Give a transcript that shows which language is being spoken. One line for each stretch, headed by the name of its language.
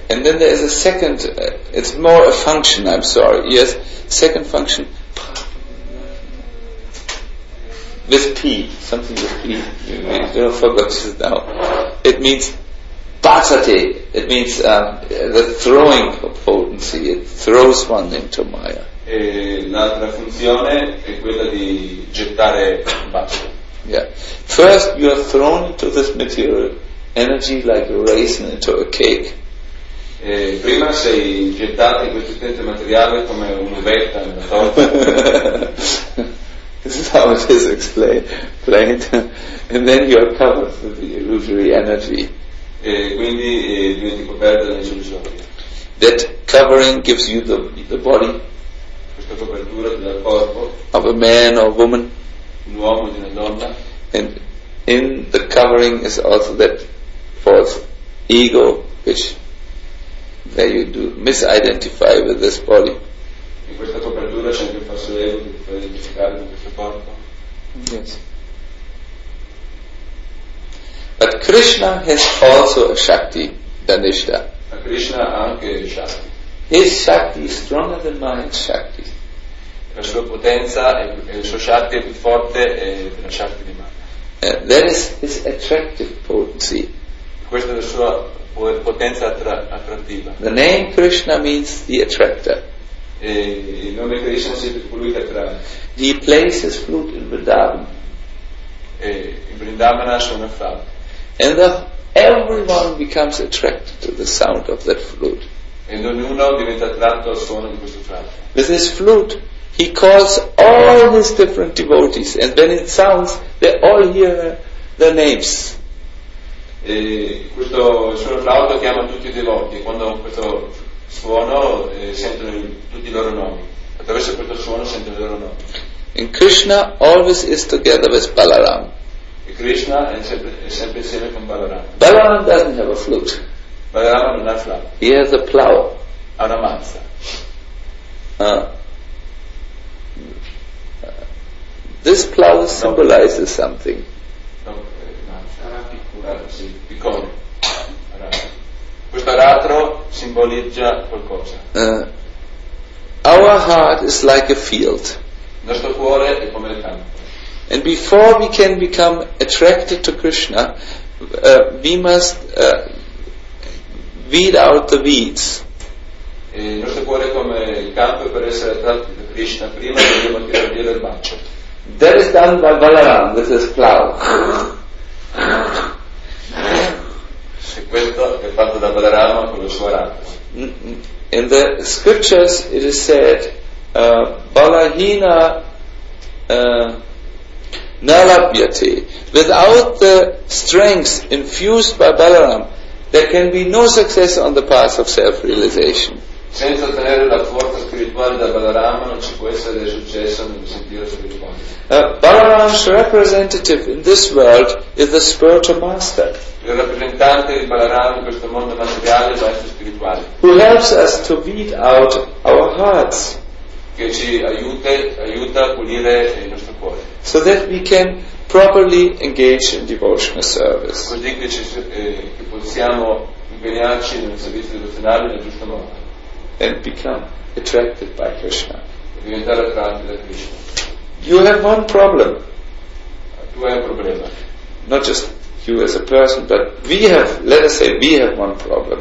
English: And then there is a second, it's more a function, I'm sorry. Yes, second function. With P, something with P. I don't forget this now. It means Bhasate. It means the throwing potency. It throws one into Maya.
Italian: E l'altra funzione è quella di gettare bacio.
English: Yeah. First you are thrown into this material energy like a raisin into a cake.
Italian: E prima sei gettato in questo stesso materiale come un'uvetta in una torta.
English: This is how it is explained. And then you are covered with the illusory energy.
Italian: E quindi diventi coperto dall'illusione.
English: That covering gives you the body.
Italian: Questa copertura del corpo.
English: Of a man or woman.
Italian: Un uomo di una donna.
English: And in the covering is also that false ego, which there you do misidentify with this body.
Italian: In questa copertura c'è anche il falso ego che ti fa identificare con questo corpo.
English: Yes. But Krishna has also a Shakti, Dhanishta.
Italian: Ma Krishna ha anche il Shakti.
English: His Shakti is stronger than my Shakti.
Italian: La sua potenza e il suo Shakti è più forte della Shakti di Maya.
English: That is his attractive potency.
Italian: Questa è la sua potenza attrattiva.
English: The name Krishna means the attractor.
Italian: Il nome Krishna si colui che attrae.
English: He plays his flute in Vrindavan.
Italian: In Vrindavana suona il flauto.
English: And the, everyone becomes attracted to the sound of that flute.
Italian: Ed ognuno diventa attratto al suono di questo flauto.
English: With his flute, he calls all his different devotees, and when it sounds, they all hear the names.
Italian: E questo suono flauto chiama tutti i devoti. Quando questo suono sentono tutti i loro nomi. Attraverso questo suono sentono i loro nomi.
English: And Krishna always is together with Balaram.
Italian: Krishna is sempre insieme con Balaram.
English: Balaram doesn't have a flute.
Italian: Balaram non ha flauto.
English: He has a plow.
Italian: Ha una mazza.
English: This plow symbolizes something.
Italian: Questo aratro simboleggia qualcosa.
English: Our heart is like a field.
Italian: Nostro cuore è come il campo.
English: And before we can become attracted to Krishna, we must weed out the weeds.
Italian: Il nostro cuore è come il campo, per essere attratti da Krishna prima dobbiamo tirare via del bacio.
English: That is done by Balaram, this is plow.
Italian: Se questo è fatto da Balarama con lo suo arato.
English: In the scriptures it is said Balahina Nalabhyate. Without the strength infused by Balaram, there can be no success on the path of self-realization.
Italian: Senza ottenere la forza spirituale da Balarama non ci può essere successo nel sentiero spirituale.
English: Balarama's representative in this world is the spiritual master.
Italian: Il rappresentante di Balarama in questo mondo materiale è il maestro spirituale.
English: Who helps us to weed out our hearts.
Italian: Che ci aiuta a pulire il nostro cuore.
English: So that we can properly engage in devotional service.
Italian: Così che possiamo impegnarci nel servizio devozionale nel giusto modo.
English: And become attracted by Krishna.
Italian: Diventare attratti da Krishna.
English: You have one problem.
Italian: Tu hai un problema.
English: Not just you as a person, but we have, let us say, we have one problem.